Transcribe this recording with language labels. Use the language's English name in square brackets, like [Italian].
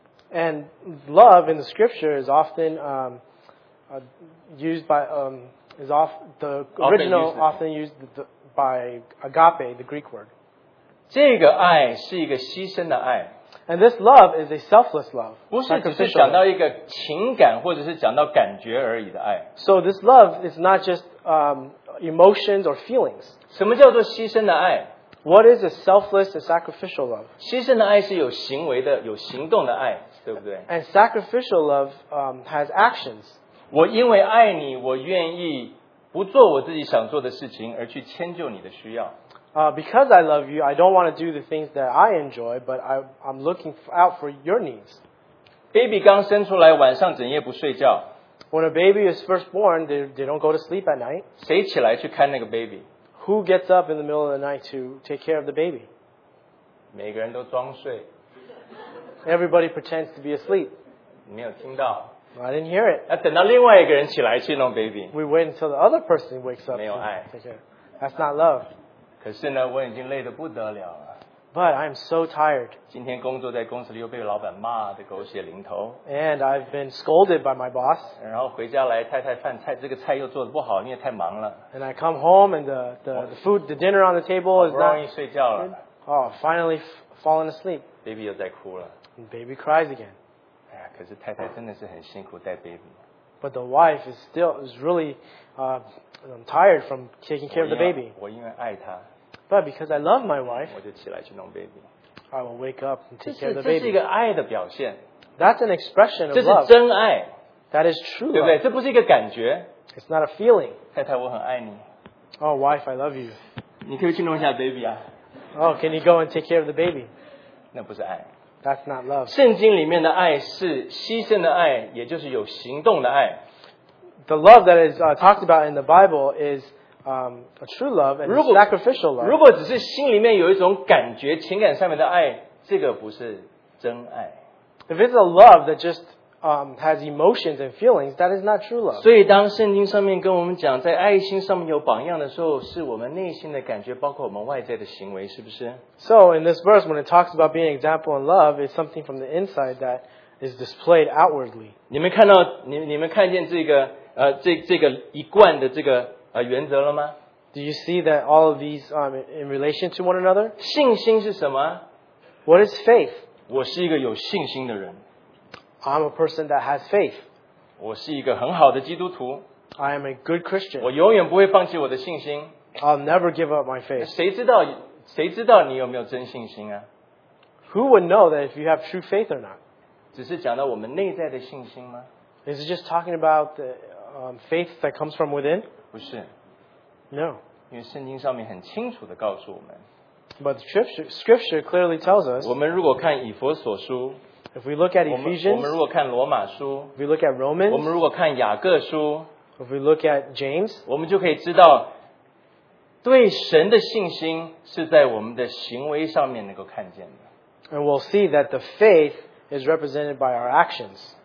[English] And love in the scripture is often used by is off the original often used by agape, the Greek word. [Chinese] 这个爱是一个牺牲的爱。 [English] And this love is a selfless love. [Chinese] 不是只是讲到一个情感或者是讲到感觉而已的爱。 [English] So this love is not just emotions or feelings. [Chinese] 什么叫做牺牲的爱？ [English] What is a selfless and sacrificial love? [Chinese] 牺牲的爱是有行为的，有行动的爱，对不对？ [English] And sacrificial love has actions. [Chinese] 我因为爱你，我愿意不做我自己想做的事情，而去迁就你的需要。 [English] Because I love you, I don't want to do the things that I enjoy, but I'm looking out for your needs. [Chinese] Baby 刚生出来，晚上整夜不睡觉。 [English] When a baby is first born, they don't go to sleep at night. [Chinese] 谁起来去看那个 baby? [English] Who gets up in the middle of the night to take care of the baby? [Chinese] 每个人都装睡。 [English] Everybody pretends to be asleep. [Chinese] 没有听到。 [English] I didn't hear it. [Chinese] 要等到另外一个人起来去弄 baby。 [English] We wait until the other person wakes up. [Chinese] 没有爱。 [English] That's not love. [Chinese] 可是呢，我已经累得不得了了。 [English] But I'm so tired. [Chinese] 今天工作在公司里又被老板骂得狗血淋头。 [English] And I've been scolded by my boss. [Chinese] 然后回家来，太太饭菜这个菜又做得不好，因为太忙了。 [English] And I come home and the food, the dinner on the table is not. [Chinese] 好不容易睡觉了。 [English] Oh, finally fallen asleep. [Chinese] Baby 又在哭了。 [English] And baby cries again. [Chinese] 哎呀，可是太太真的是很辛苦带 baby。 [English] But the wife is really tired from taking care of the baby. [Chinese] 我因为爱她。 [English] But because I love my wife, [Chinese] 我就起来去弄 baby. [English] I will wake up and take care of the baby. [Chinese] 这是一个爱的表现。 [English] That's an expression of love. [Chinese] 这是真爱。 [English] That is true. [Chinese] 对不对？这不是一个感觉。 [English] It's not a feeling. [Chinese] 太太，我很爱你。 [English] Oh, wife, I love you. [Chinese] 你可以去弄一下 baby 啊。 [English] Oh, can you go and take care of the baby? [Chinese] 那不是爱。 [English] That's not love. [Chinese] 圣经里面的爱是牺牲的爱，也就是有行动的爱。 [English] The love that is talked about in the Bible is a true love and a sacrificial love. [Chinese] 如果只是心里面有一种感觉，情感上面的爱，这个不是真爱。 [English] If it's a love that just has emotions and feelings, that is not true love. [Chinese] 所以当圣经上面跟我们讲，在爱心上面有榜样的时候，是我们内心的感觉，包括我们外在的行为，是不是？ [English] So in this verse, when it talks about being an example in love, it's something from the inside that is displayed outwardly. [Chinese] 你们看见这个一贯的这个。原则了吗? [English] Do you see that all of these in relation to one another? [Chinese] 信心是什么? [English] What is faith? [Chinese] 我是一个有信心的人。 [English] I'm a person that has faith. [Chinese] 我是一个很好的基督徒。 [English] I am a good Christian. [Chinese] 我永远不会放弃我的信心。 [English] I'll never give up my faith. [Chinese] 谁知道你有没有真信心啊? [English] Who would know that if you have true faith or not? [Chinese] 只是讲到我们内在的信心吗? [English] Is it just talking about the faith that comes from within? No. [Chinese] 因为圣经上面很清楚地告诉我们。 [English] But scripture clearly tells us, [Chinese] 我们如果看以弗所书, [English] if we look at Ephesians, [Chinese] 我们如果看罗马书, [English] if we look at Romans, [Chinese] 我们如果看雅各书, [English] if we look at James, [Chinese] 我们就可以知道, 对神的信心是在我们的行为上面能够看见的。 [English] And we'll see that the faith is represented by our actions.